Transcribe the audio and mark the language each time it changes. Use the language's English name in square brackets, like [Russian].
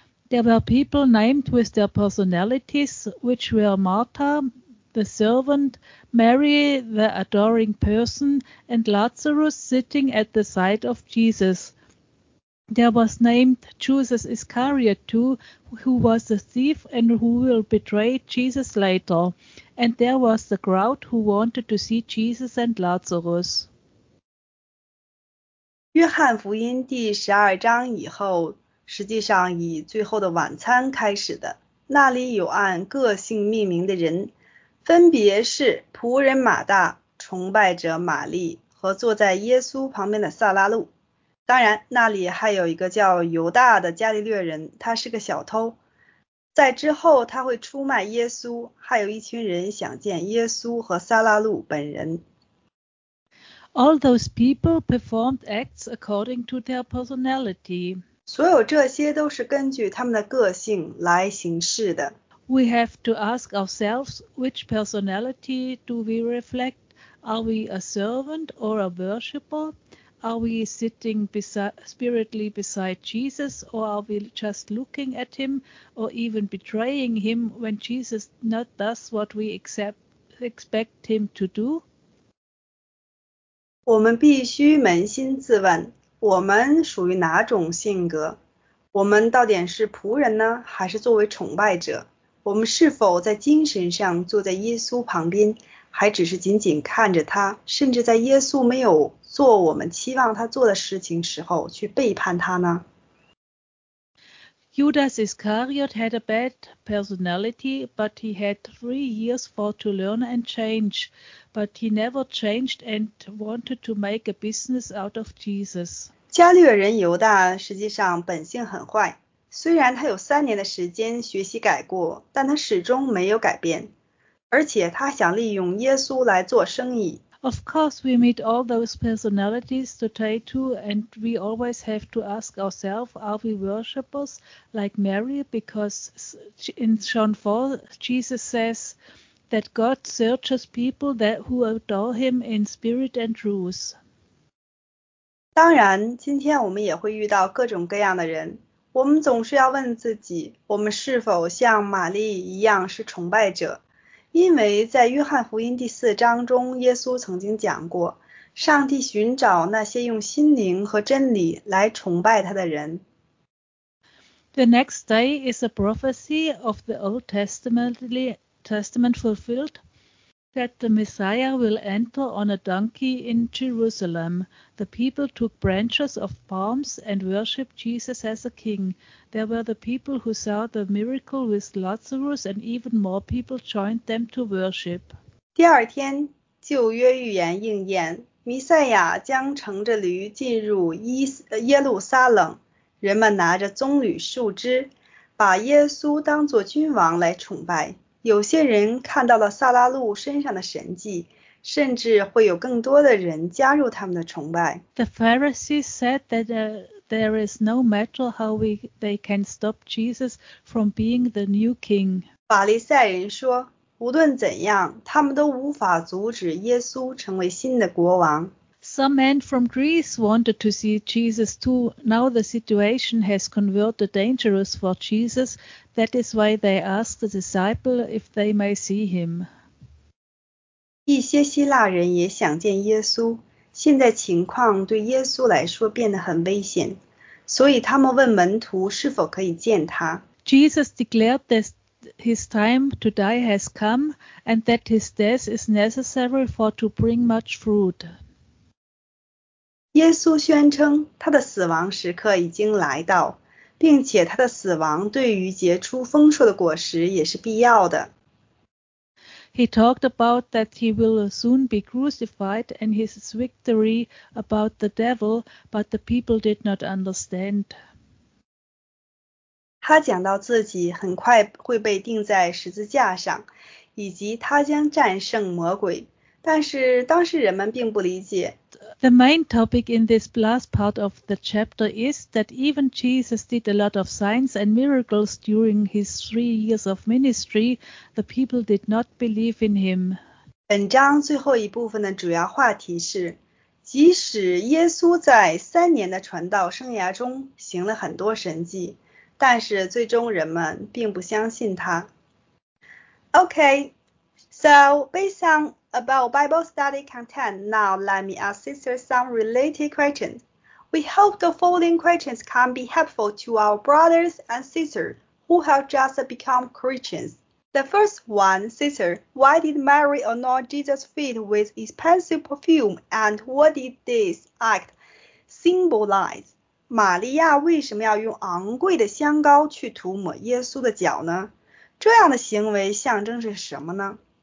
[English] There were people named with their personalities, which were Martha, the servant, Mary, the adoring person, and Lazarus sitting at the side of Jesus. There was named Judas Iscariot too, who was a thief and who will betray Jesus later. And there was the crowd who wanted to see Jesus and Lazarus. [Chinese] 约翰福音第12章以后，实际上以最后的晚餐开始的，那里有按个性命名的人，分别是仆人马大、崇拜者玛丽和坐在耶稣旁边的萨拉路。当然，那里还有一个叫犹大的加利略人，他是个小偷。在之后，他会出卖耶稣，还有一群人想见耶稣和萨拉路本人。 [English] All those people performed acts according to their personality. [Chinese] 所有这些都是根据他们的个性来行事的。 [English] We have to ask ourselves, which personality do we reflect? Are we a servant or a worshipper? Are we sitting spiritually beside Jesus, or are we just looking at him or even betraying him when Jesus not does what we expect him to do? [Chinese] 我们必须扪心自问，我们属于哪种性格？我们到底是仆人呢，还是作为崇拜者？我们是否在精神上坐在耶稣旁边，还只是仅仅看着他，甚至在耶稣没有做我们期望他做的事情时候去背叛他呢？ [English] Judas Iscariot had a bad personality, but he had 3 years for to learn and change, but he never changed and wanted to make a business out of Jesus. [Chinese] 加略人犹大实际上本性很坏，虽然他有3年的时间学习改过，但他始终没有改变，而且他想利用耶稣来做生意。 [English] Of course, we meet all those personalities today too, and we always have to ask ourselves, are we worshippers like Mary? Because in John 4, Jesus says that God searches people that who adore him in spirit and truth. [Chinese] 当然，今天我们也会遇到各种各样的人。我们总是要问自己，我们是否像玛丽一样是崇拜者？因为在约翰福音第四章中，耶稣曾经讲过，上帝寻找那些用心灵和真理来崇拜他的人。 [English] The next day is a prophecy of the Old Testament fulfilled that the Messiah will enter on a donkey in Jerusalem. The people took branches of palms and worshipped Jesus as a king. There were the people who saw the miracle with Lazarus, and even more people joined them to worship. [Chinese] 第二天，旧约预言应验，弥赛亚将乘着驴进入耶路撒冷，人们拿着棕榈树枝，把耶稣当作君王来崇拜。有些人看到了撒拉路身上的神迹，甚至会有更多的人加入他们的崇拜。 [English] The Pharisees said that there is no matter how they can stop Jesus from being the new king. [Chinese] 法利赛人说，无论怎样，他们都无法阻止耶稣成为新的国王。 [English] Some men from Greece wanted to see Jesus too. Now the situation has converted dangerous for Jesus. That is why they asked the disciple if they may see him. [Chinese] 一些希腊人也想见耶稣，现在情况对耶稣来说变得很危险，所以他们问门徒是否可以见他。 [English] Jesus declared that his time to die has come and that his death is necessary for to bring much fruit. [Chinese] 耶稣宣称他的死亡时刻已经来到，并且他的死亡对于结出丰硕的果实也是必要的。 [English] He talked about that he will soon be crucified and his victory about the devil, but the people did not understand. [Chinese] 他讲到自己很快会被钉在十字架上，以及他将战胜魔鬼。但是当时人们并不理解。 [English] The main topic in this last part of the chapter is that even Jesus did a lot of signs and miracles during his 3 years of ministry, the people did not believe in him. [Chinese] 本章最后一部分的主要话题是，即使耶稣在三年的传道生涯中行了很多神迹，但是最终人们并不相信他。 [English] Okay, so based onAbout Bible study content, now let me ask sisters some related questions. We hope the following questions can be helpful to our brothers and sisters who have just become Christians. The first one, sister, why did Mary anoint Jesus' feet with expensive perfume and what did this act symbolize? [Chinese] 玛利亚为什么要用昂贵的香膏去涂抹耶稣的脚呢？这样的行为象征是什么呢？